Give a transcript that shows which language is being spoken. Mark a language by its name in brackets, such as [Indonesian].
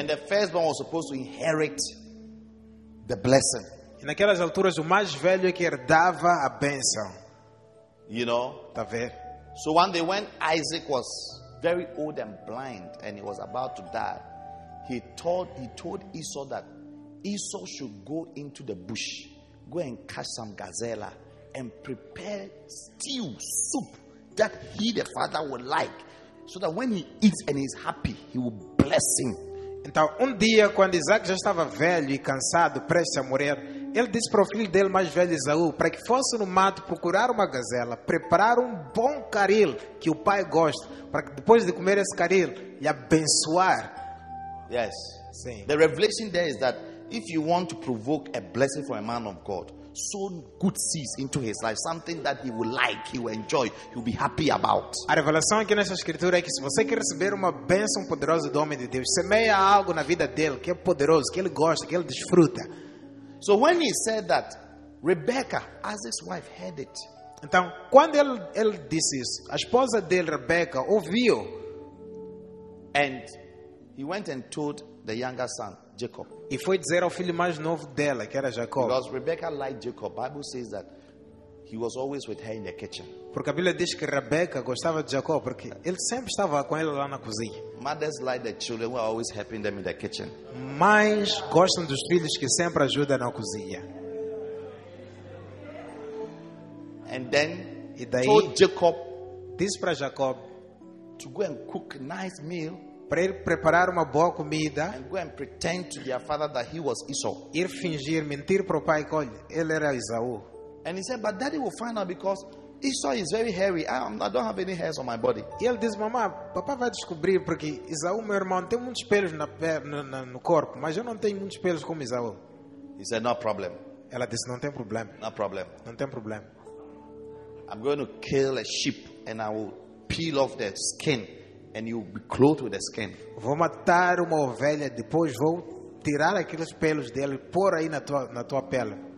[English] And the firstborn was supposed to inherit the blessing. [Portuguese] E naquelas alturas o mais velho é que herdava a bênção. [English] You know? [Portuguese] Tá vendo? [English] So one day when Isaac was very old and blind and he was about to die, he told Esau that Esau should go into the bush, go and catch some gazelle and prepare stew soup that he the father would like. So that when he eats and he's happy, he will bless him. [Portuguese] Então, dia, quando Isaac já estava velho e cansado, prestes a morrer, ele disse para o filho dele mais velho, Esaú, para que fosse no mato procurar uma gazela, preparar bom caril que o pai gosta, para que depois de comer esse caril, lhe abençoar. [English] Yes. [Portuguese] Sim. [English] The revelation there is that if you want to provoke a blessing for a man of God, sow good seeds into his life, something that he will like, he will enjoy, he will be happy about. [Portuguese] A revelação aqui nessa escritura é que se você quer receber uma bênção poderosa do homem de Deus, semeia algo na vida dele que é poderoso, que ele gosta, que ele desfruta. [English] So when he said that, Rebecca, as his wife, heard it. [Portuguese] Então, quando ele disse isso, a esposa dele, Rebecca, ouviu. [English] And he went and told the younger son, Jacob. [Portuguese] E foi dizer ao filho mais novo dela, que era Jacob. [English] Because Rebecca liked Jacob. Bible says that he was always with her in the kitchen. [Portuguese] Porque a Bíblia diz que Rebecca gostava de Jacob porque ele sempre estava com ela lá na cozinha. [English] Mothers like the children who are always helping them in the kitchen. [Portuguese] Mães gostam dos filhos que sempre ajudam na cozinha. [English] And then [Portuguese] e daí, [English] told Jacob, [Portuguese] disse para Jacob [English] to go and cook a nice meal. [Portuguese] Para ele preparar uma boa comida. [English] And go and pretend to their father that he was Esau. [Portuguese] Ir fingir, mentir para o pai que ele era Esaú. [English] And he said, but daddy will find out because Esau is very hairy. I don't have any hairs on my body. [Portuguese] E ele disse, mamá, papá vai descobrir porque Esaú, meu irmão, tem muitos pelos no corpo, mas eu não tenho muitos pelos como Esaú. [English] He said, no problem. [Portuguese] Ela disse, não tem problema. [English] No problem. [Portuguese] Não tem problema. [English] I'm going to kill a sheep and I will peel off the skin. And you will be clothed with the skin. [Portuguese] Vou matar uma ovelha, depois vou tirar aqueles pelos dela e pôr aí na tua pele.